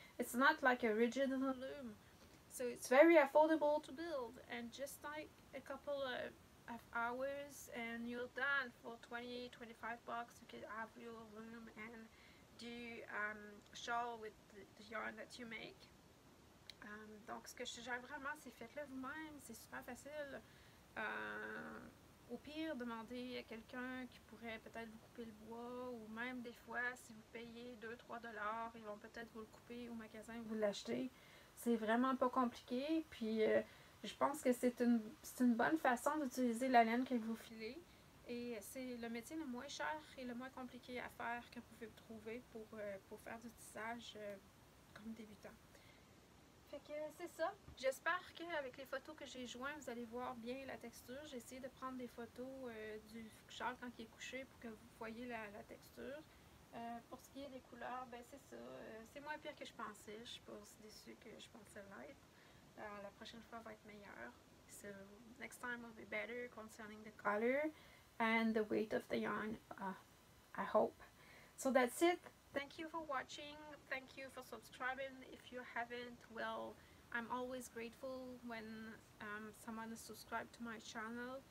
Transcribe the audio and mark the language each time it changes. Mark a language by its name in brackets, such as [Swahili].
[English] It's not like a rigid loom. So it's very affordable to build and just like a couple of hours and you're done for 20, $25. You can have your loom and du shawl with the yarn that you make. [French] Donc ce que je suggère vraiment, c'est faites-le vous-même, c'est super facile. Au pire, demandez à quelqu'un qui pourrait peut-être vous couper le bois, ou même des fois, si vous payez 2-3 $, ils vont peut-être vous le couper au magasin, vous l'achetez. C'est vraiment pas compliqué. Puis je pense que c'est une bonne façon d'utiliser la laine que vous filez. Et c'est le métier le moins cher et le moins compliqué à faire que vous pouvez trouver pour faire du tissage comme débutant. Fait que c'est ça. J'espère qu'avec les photos que j'ai jointes, vous allez voir bien la texture. J'ai essayé de prendre des photos du châle quand il est couché pour que vous voyez la texture. Pour ce qui est des couleurs, ben c'est ça. C'est moins pire que je pensais. Je suis pas aussi déçue que je pensais l'être. La prochaine fois va être meilleure. [English] So, next time will be better concerning the color and the weight of the yarn, I hope. So that's it. Thank you for watching. Thank you for subscribing. If you haven't, well, I'm always grateful when someone is subscribed to my channel.